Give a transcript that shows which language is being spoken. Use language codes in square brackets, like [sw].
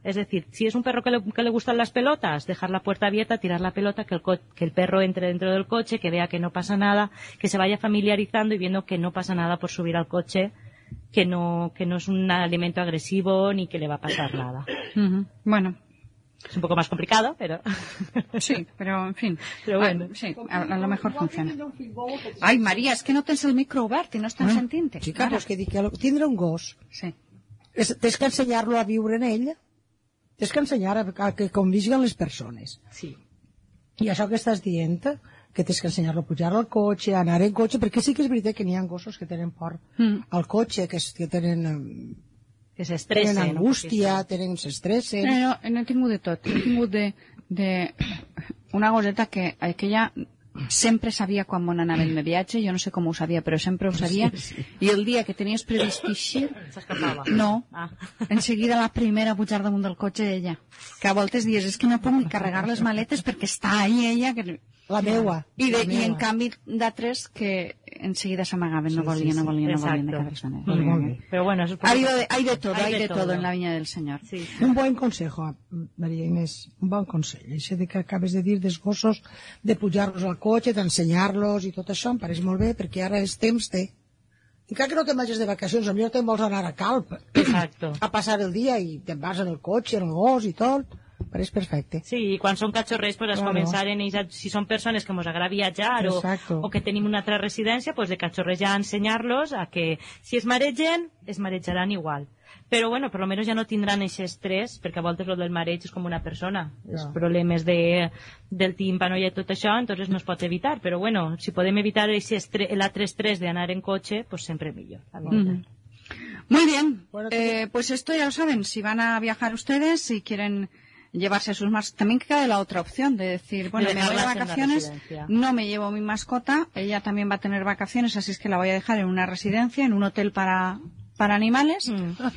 [es] Es decir, si es un perro que le gustan las pelotas, dejar la puerta abierta, tirar la pelota, que el perro entre dentro del coche, que vea que no pasa nada, que se vaya familiarizando y viendo que no pasa nada por subir al coche, que no es un alimento agresivo ni que le va a pasar nada. Uh-huh. Bueno. Es un poco más complicado, pero... Sí, pero en fin. Pero bueno. Sí, a lo mejor funciona. [ca] Ay, María, es que no tens el micro obert y no estás sentint. Chica, pues que dic, tindre un gos. Sí. Tens que ensenyar-lo a viure en ell. Tens que ensenyar a que convisguen les persones. Sí. I això que estàs dient, que tens que ensenyar-lo a pujar al cotxe, a anar en cotxe, perquè sí que és veritat que n'hi ha gossos que tenen por al cotxe, que tenen... Que s'estressen. Tenen angústia, tenen s'estressen. No, he tingut de tot. He tingut de una goseta que aquella sempre sabia quan m'on anava en el viatge, jo no sé com ho sabia, però sempre ho sabia. Sí. I el dia que tenies previst eixir... S'escapava. No. Ah. En seguida la primera a pujar damunt del cotxe ella. Que a voltes dies, és que no puc ni carregar les maletes perquè està ahí ella... Que... La meua. I en canvi d'altres que en seguida s'amagaven, no volien de cap manera. Mm-hmm. Però bueno, [es] hay de todo en la viña del Senyor. [ca] Sí. Un bon consejo, Maria Inés, un bon consell. Això que acabes de dir dels gossos, de pujar-los al cotxe, d'ensenyar-los i tot això, em pareix molt bé, perquè ara és temps de... Encara que no te'n vagis de vacacions, a mi no te'n vols anar a Calp. [es] Exacto. [ca] A passar el dia i te'n vas en el cotxe, en el gos i tot. Pareix perfecte. Sí, i quan són cachorrers, pues, claro. Començar en ells, si són persones que ens agrada viatjar o que tenim una altra residència, pues, de cachorrers ja ensenyar-los a que si es maregen, es marejaran igual. Però bueno, per lo menos ja no tindran aquest estrès, perquè a voltes lo del mareig és com una persona. Claro. Els problemes del tímpano i tot això, entonces no es pot evitar. Però bueno, si podem evitar l'altre estrès d'anar en cotxe, pues sempre millor. Mm-hmm. [es] Muy bien, pues esto ya lo saben. Si van a viajar ustedes, si quieren... llevarse a sus mascotas. También queda la otra opción de decir, bueno, me voy de vacaciones, no me llevo mi mascota, ella también va a tener vacaciones, así es que la voy a dejar en una residencia, en un hotel para animales. Mm.